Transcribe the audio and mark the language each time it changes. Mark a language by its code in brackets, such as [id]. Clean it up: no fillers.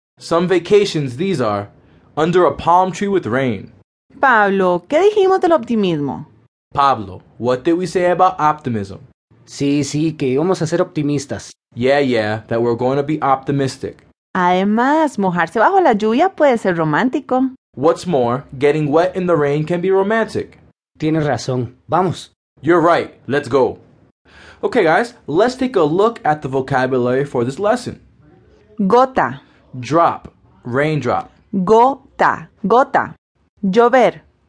[en] Some vacations these are, under a palm tree with rain. [es] Pablo, ¿qué dijimos del optimismo? [en] Pablo, what did we say about optimism? [es] Sí, sí, que íbamos a ser optimistas. [en] Yeah, yeah, that we're going to be optimistic. [es] Además, mojarse bajo la lluvia puede ser romántico. [en] What's more, getting wet in the rain can be romantic. [es] Tienes razón. Vamos. [en] You're right. Let's go. Okay, guys, let's take a look at the vocabulary for this lesson. [es] Gota. [en] Drop. Raindrop. [es] Gota. Gota. Llover.